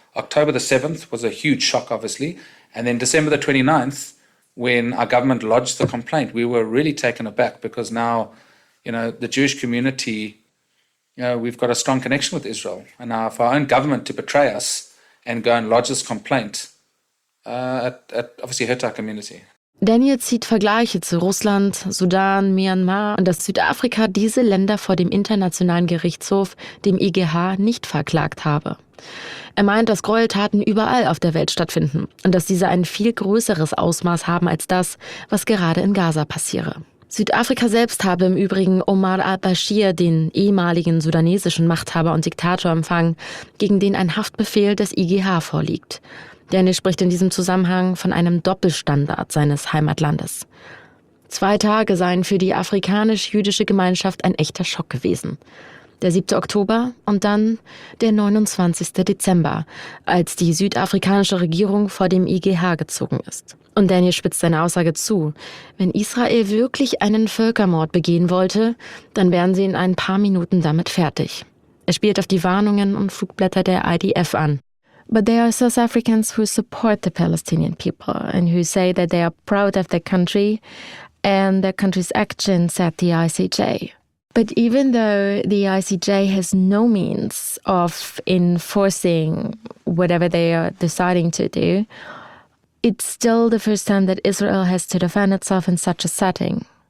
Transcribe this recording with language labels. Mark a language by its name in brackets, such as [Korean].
[English] October the 7th was a huge shock, obviously. And then December the 29th, when our government lodged the complaint, we were really taken aback because now, you know, the Jewish community, you know, we've got a strong connection with Israel. And now for our own government to betray us and go and lodge this complaint, it obviously hurt our community. [German] Daniel zieht Vergleiche zu Russland, Sudan, Myanmar und dass Südafrika diese Länder vor dem Internationalen Gerichtshof, dem IGH, nicht verklagt habe. Er meint, dass Gräueltaten überall auf der Welt stattfinden und dass diese ein viel größeres Ausmaß haben als das, was gerade in Gaza passiere. Südafrika selbst habe im Übrigen Omar al-Bashir, den ehemaligen sudanesischen Machthaber und Diktator, empfangen, gegen den ein Haftbefehl des IGH vorliegt. Daniel spricht in diesem Zusammenhang von einem Doppelstandard seines Heimatlandes. 2 Tage seien für die afrikanisch-jüdische Gemeinschaft ein echter Schock gewesen. Der 7. Oktober und dann der 29. Dezember, als die südafrikanische Regierung vor dem IGH gezogen ist. Und Daniel spitzt seine Aussage zu. Wenn Israel wirklich einen Völkermord begehen wollte, dann wären sie in ein paar Minuten damit fertig. Er spielt auf die Warnungen und Flugblätter der IDF an. [English] But there are South Africans who support the Palestinian people and who say that they are proud of their country and their country's actions at the ICJ. But even though the ICJ has no means of enforcing whatever they are deciding to do, it's still the first time that Israel has to defend itself in such a setting.